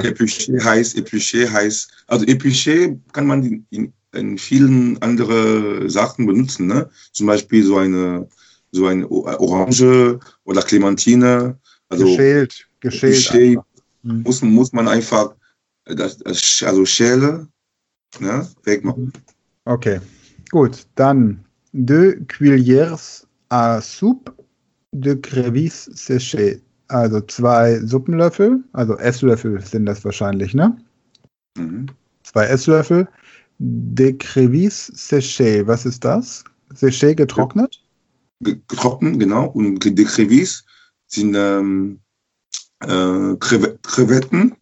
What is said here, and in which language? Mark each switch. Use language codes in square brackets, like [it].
[de] Épluché heißt, also épluché kann man in vielen anderen Sachen benutzen, ne? Zum Beispiel so eine Orange oder Clementine. Also geschält. Muss man einfach das Schäle, ne, wegmachen. Okay, gut. Dann [fr] 2 cuillères à soupe de crevisse séchée. [de] Also zwei Suppenlöffel, also Esslöffel sind das wahrscheinlich, ne? Zwei Esslöffel. [fr] D'écrevisse séchée, [de] was ist das? Séchée getrocknet? Getrocknet, genau, und die Crevices sind Krevetten,